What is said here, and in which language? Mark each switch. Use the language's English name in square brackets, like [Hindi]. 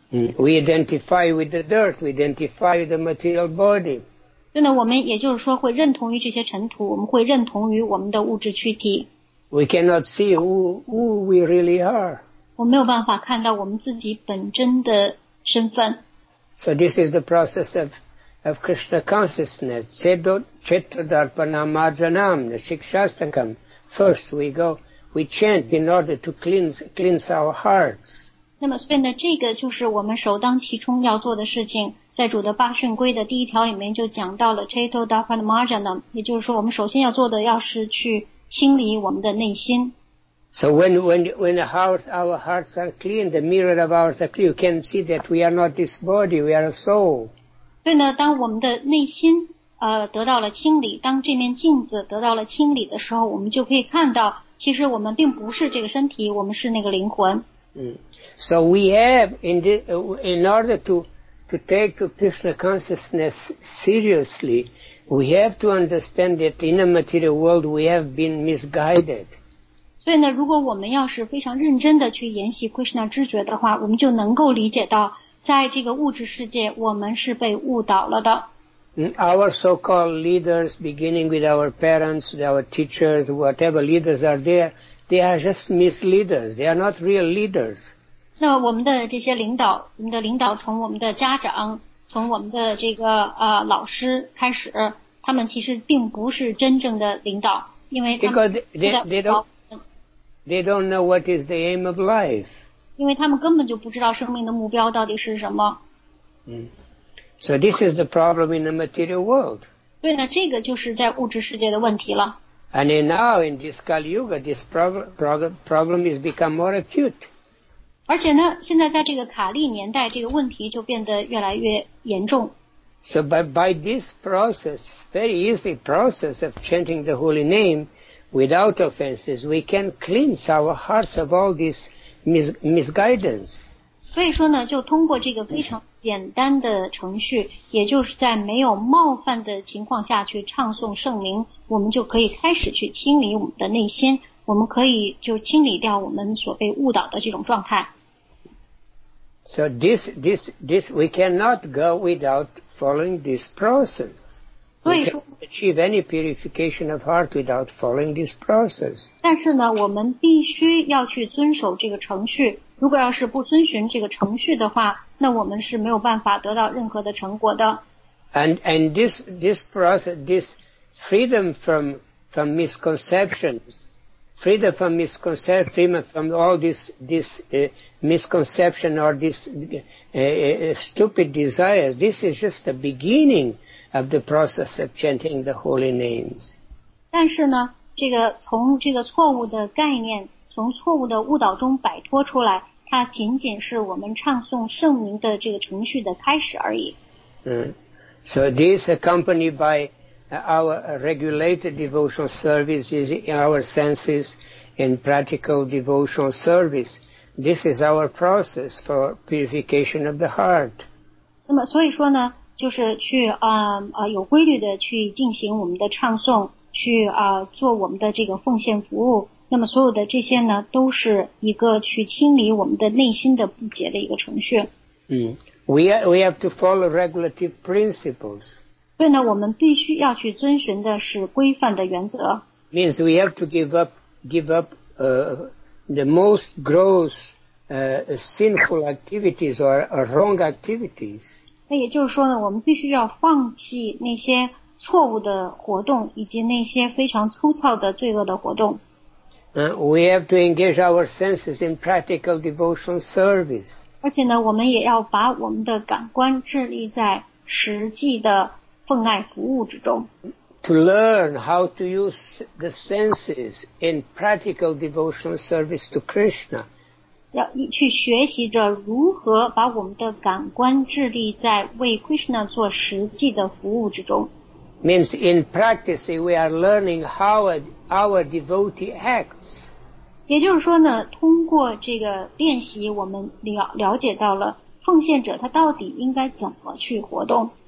[English] We identify with the dirt, we identify with the material body. [Chinese] 所以呢，我们也就是说会认同于这些尘土，我们会认同于我们的物质躯体。 [English] We cannot see who we really are. [Chinese] 我没有办法看到我们自己本真的身份。 [English] So this is the process of Krishna consciousness, cetodarpanam ajanam, the shikshastakam, First we go, we chant in order to cleanse our hearts. [Chinese] 那么 Sven 的这个就是我们首当其冲要做的事情，在主的八圣规的第一条里面就讲到了 Chaito Dharpan Marjanam， 也就是说我们首先要做的要是去清理我们的内心。 [English] So when our hearts are clean, the mirror of ours are clean, you can see that we are not this body, we are a soul. [Chinese] 所以呢，当我们的内心得到了清理，当这面镜子得到了清理的时候，我们就可以看到，其实我们并不是这个身体，我们是那个灵魂。 [English] 嗯。So we have, in order to take Krishna consciousness seriously, we have to understand that in a material world we have been misguided. [Chinese] 所以呢，如果我们要是非常认真的去研习 Krishna 知觉的话，我们就能够理解到，在这个物质世界，我们是被误导了的。 [English] Our so-called leaders, beginning with our parents, with our teachers, whatever leaders are there, they are just misleaders. They are not real leaders. [Chinese] 那我们的这些领导，我们的领导从我们的家长，从我们的这个老师开始，他们其实并不是真正的领导，因为他们 [English] they don't know what is the aim of life. [Chinese] 因为他们根本就不知道生命的目标到底是什么。 [English] So this is the problem in the material world. [Chinese] 对呢，这个就是在物质世界的问题了。 [English] And now in this Kali Yuga, this problem has become more acute. [Chinese] 而且呢，现在在这个卡利年代，这个问题就变得越来越严重。 [English] So by this process, very easy process of chanting the holy name without offenses, we can cleanse our hearts of all this misguidance. [Chinese] 所以说呢，就通过这个非常简单的程序，也就是在没有冒犯的情况下去唱诵圣名，我们就可以开始去清理我们的内心，我们可以就清理掉我们所被误导的这种状态。 [English] So this we cannot go without following this process. We can't achieve any purification of heart without following this process. [Chinese] 但是呢，我们必须要去遵守这个程序，如果要是不遵循这个程序的话，那我们是没有办法得到任何的成果的。 [English] And this process, this freedom from misconceptions, freedom from misconception, freedom from all this misconception or this stupid desire, this is just the beginning of the process of chanting the holy names. [Chinese] 但是呢，这个从这个错误的概念，从错误的误导中摆脱出来，它仅仅是我们唱诵圣名的这个程序的开始而已。 [English] So this accompanied by our regulated devotional services in our senses and practical devotional service, this is our process for purification of the heart. [Chinese] 那么所以说呢，就是去有规律的去进行我们的唱诵，去做我们的这个奉献服务。那么所有的这些呢，都是一个去清理我们的内心的不洁的一个程序。 [English] We have to follow regulative principles. [Chinese] 所以呢，我们必须要去遵循的是规范的原则。 [English] Means we have to give up the most gross sinful activities or wrong activities. [Chinese] 那也就是说呢，我们必须要放弃那些错误的活动，以及那些非常粗糙的罪恶的活动。 [English] We have to engage our senses in practical devotional service. [Chinese] 而且呢，我们也要把我们的感官置力在实际的奉爱服务之中。 [English] To learn how to use the senses in practical devotional service to Krishna. [Chinese] 要去学习着如何把我们的感官置力在为 Krishna 做实际的服务之中。 [English] Means in practice we are learning how our devotee acts. [Chinese] 也就是说呢，通过这个练习，我们了解到了奉献者他到底应该怎么去活动。